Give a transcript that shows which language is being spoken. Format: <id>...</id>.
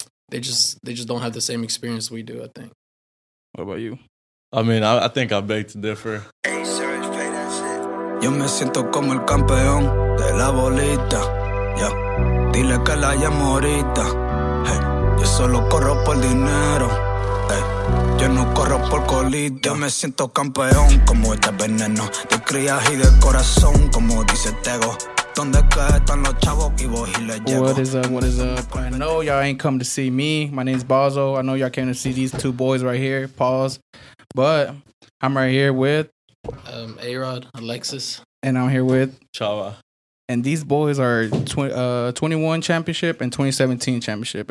<en>they just don't have the same experience we do, I think. What about you? I mean, I think I beg to differ. Hey, Serge, play that shit.</en> <es>Yo me siento como el campeón de la bolita. Yeah. Dile que la llamo ahorita. Hey. Yo solo corro por dinero. Hey. Yo no corro por colita. Yo me siento campeón como este veneno. De crías y de corazón como dice Tego.</es> <en>What is up? I know y'all ain't come to see me. My name's Bozo. I know y'all came to see these two boys right here. Pause. But I'm right here with A-Rod, Alexis. And I'm here with Chava. And these boys are 21 championship and 2017 championship.</en>